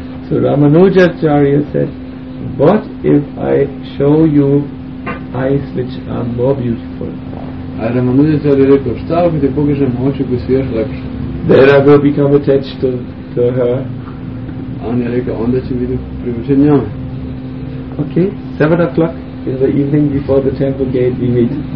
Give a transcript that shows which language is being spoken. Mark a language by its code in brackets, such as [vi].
[en] So Ramanujacharya said, what if I show you eyes which are more beautiful? [sr] A Ramanujacharya rekao, šta ako te pokažem oči koji su još lepši? [en] Then I will become attached to her. [sr] On je rekao, onda će biti privučen njom. [en] Ok, 7 o'clock in the evening before the temple gate we meet.